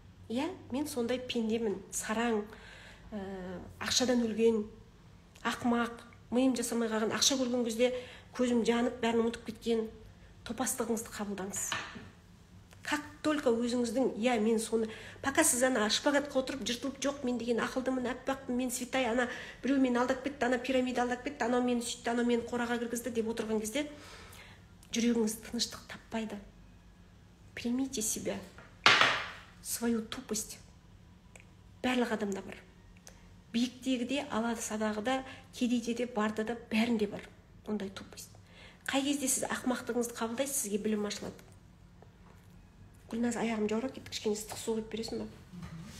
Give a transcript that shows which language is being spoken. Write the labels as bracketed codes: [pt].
[kk] Иә, мен сондай пендемін, сараң, ақшадан өлген, ақымақ, миым жасамай қалған, ақша көрген кезде көзім жанып, бәрін ұмытып кеткен топастығыңызды қабылдаңыз. [ru] Как только [kk] өзіңіздің, иә, мен соны, [ru] пока [kk] сіз ана шпагатқа отырып, жыртылып, жоқ, мен деген ақылдымын, аппақпын, мен [ru] святая, [kk] ана біреу мені алдап кетті, ана пирамида алдап кетті, анау мені сүйтті, анау мені қораға кіргізді деп отырған кезде жүрегіңіз тыныштық таппайды. [ru] Примите себя, свою тупость. [kk] Барлық адамда бар. Биіктегі де, ала садағы да, кедейде де, барда да, бәрінде бар. Ондай тупость. Қай кезде сіз ақымақтығыңызды қабылдайсыз, сізге білім ашылады. Гүлназ, аяғым жаурап кетті, кішкене ыстық су құйып бересің ба?